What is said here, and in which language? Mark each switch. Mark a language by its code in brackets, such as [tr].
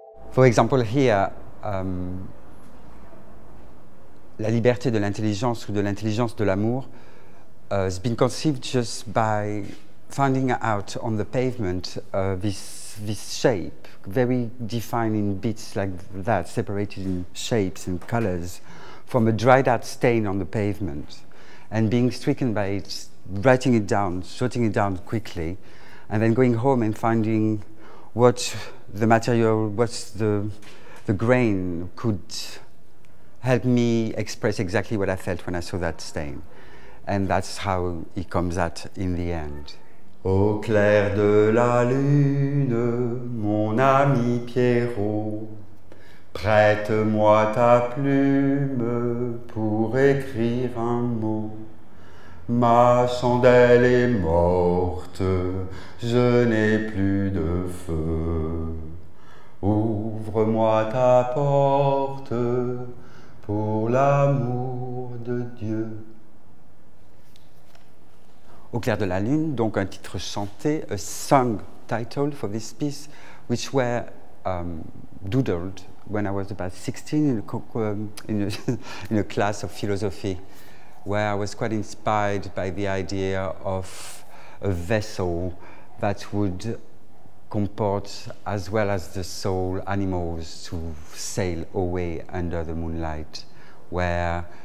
[en] For example, here, la liberté de l'intelligence ou de l'intelligence de l'amour has been conceived just by finding out on the pavement this shape, very defined in bits like that, separated in shapes and colors, from a dried out stain on the pavement, and being stricken by it, writing it down, shutting it down quickly, and then going home and finding what the material, what the grain could help me express exactly what I felt when I saw that stain. And that's how it comes out in the end. [fr] Au clair de la lune, mon ami Pierrot, prête-moi ta plume pour écrire un mot. Ma chandelle est morte, je n'ai plus de feu. Ouvre-moi ta porte pour l'amour de Dieu. Au clair de la lune, donc un titre chanté, [en] a sung title for this piece, which were doodled when I was about 16 in a class of philosophy, where I was quite inspired by the idea of a vessel that would comport, as well as the soul, animals to sail away under the moonlight, where